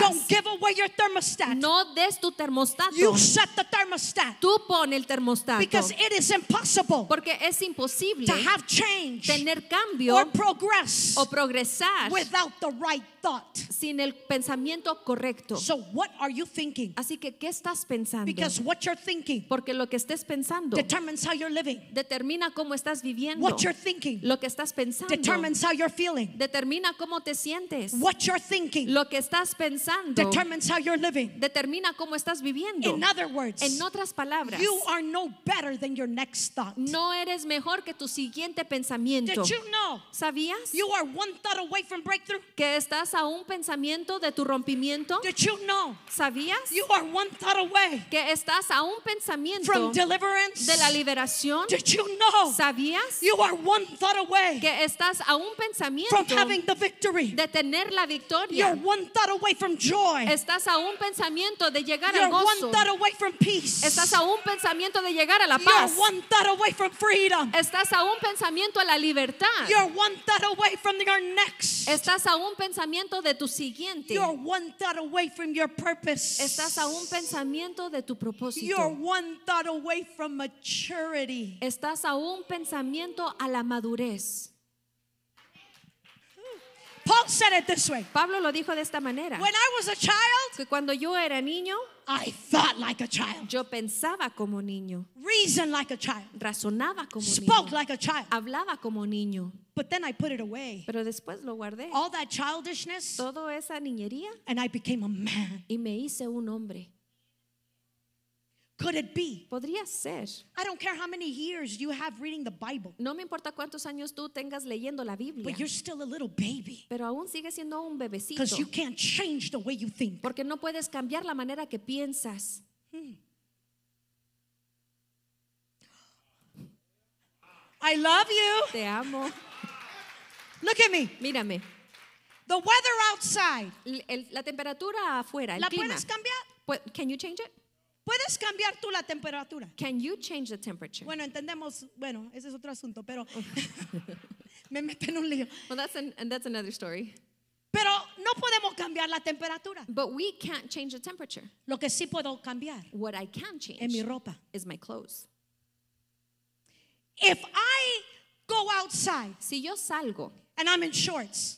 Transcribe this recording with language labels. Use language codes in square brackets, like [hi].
[en] Don't give away your thermostat. [es] No des tu termostato. [en] You set the thermostat. [es] Tú pon el termostato. [en] Because it is impossible. [es] Porque es imposible. [en] To have change. [es] Tener cambio. [en] Or progress. [es] O progresar. [en] Without the right thought. [es] Sin el pensamiento correcto. [en] So what are you thinking? [es] Así que ¿qué estás pensando? [en] Because what you're thinking. [es] Porque lo que estés pensando. [en] Determines how you're living. [es] Determina cómo estás viviendo. [en] What you're thinking. [es] Lo que estás pensando. [en] Determines how you're feeling. [es] Determina cómo te sientes. [en] What you're thinking. [es] Lo que estás pensando. [en] Determines how you're living. [es] Determina cómo estás viviendo. [en] In other words, [es] en otras palabras, [en] you are no better than your next thought. [es] No eres mejor que tu siguiente pensamiento. [en] Did you know? [es] ¿Sabías? [en] You are one thought away from breakthrough. [es] Que estás a un pensamiento pensamiento de tu rompimiento? [en] Did you know? [es] ¿Sabías? [en] You are one thought away. [es] Que estás a un pensamiento [en] from deliverance. [es] De la liberación. [en] Did you know? [es] ¿Sabías? [en] You are one thought away. [es] Que estás a un pensamiento [en] from having the victory. [es] De tener la victoria. [en] You are one thought away from joy. [es] Estás a un pensamiento de llegar [en] you're [es] al gozo. [en] You are one thought away from peace. [es] Estás a un pensamiento de llegar a la paz. [en] You are one thought away from freedom. [es] Estás a un pensamiento a la libertad. [en] You are one thought away from your next. [es] Estás a un pensamiento de tu siguiente. [en] You are one thought away from your purpose. [es] Estás a un pensamiento de tu propósito. [en] You are one thought away from maturity. [es] Estás a un pensamiento a la madurez. [en] Paul said it this way. [es] Pablo lo dijo de esta manera. [en] When I was a child, [es] que cuando yo era niño, [en] I thought like a child. [es] Yo pensaba como niño. [en] Reasoned like a child. [es] Razonaba como [en] spoke [es] niño. [en] Like a child. [es] Hablaba como niño. [en] But then I put it away. [es] Pero después lo guardé. [en] All that childishness. [es] Todo esa niñería. [en] And I became a man. [es] Y me hice un hombre. [en] Could it be? [es] Podría ser. [en] I don't care how many years you have reading the Bible. [es] No me importa cuántos años tú tengas leyendo la Biblia. [en] But you're still a little baby. [es] Pero aún sigue siendo un bebecito. [en] Because you can't change the way you think. [es] Porque no puedes cambiar la manera que piensas. [en] I love you. [es] Te amo. [en] Look at me. [es] Mírame. [en] The weather outside. [es] La temperatura afuera, el clima. ¿La puedes cambiar? [en] Can you change it? [es] ¿Puedes cambiar tú la temperatura? [en] Can you change the temperature? [es] Bueno, entendemos, bueno, ese es otro asunto, pero me meto en un lío. [en] Well, that's another story. [es] Pero no podemos cambiar la temperatura. [en] But we can't change the temperature. [es] Lo que sí puedo cambiar. [en] What I can change. [es] Es mi ropa. [en] Is my clothes. If I go outside. [es] Si yo salgo. [en] And I'm in shorts.